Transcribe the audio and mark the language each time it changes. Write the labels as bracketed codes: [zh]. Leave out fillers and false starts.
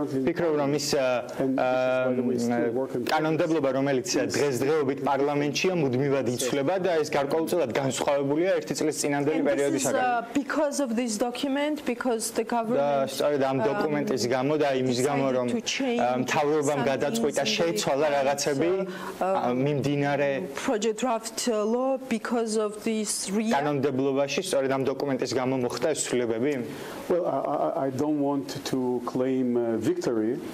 [ka] ფიქრობ რომ ის კანონმდებლობა რომელიც დღესდღეობით პარლამენტშია მუდმივად იცვლება და ეს კონკრეტულად განსხვავებულია 1 წლის წინანდელი პერიოდისაგან. [en] Because of this document, because the government [ka] და ამ დოკუმენტის გამო და იმის გამო რომ მთავრობამ გადაწყვიტა შეიცვალა რაღაცები მიმდინარე [en] project draft law because of this RIA [ka] კანონმდებლობაში სწორედ ამ დოკუმენტის გამო მოხდა ეს ცვლილებები? [en] Well I don't want to claim victory.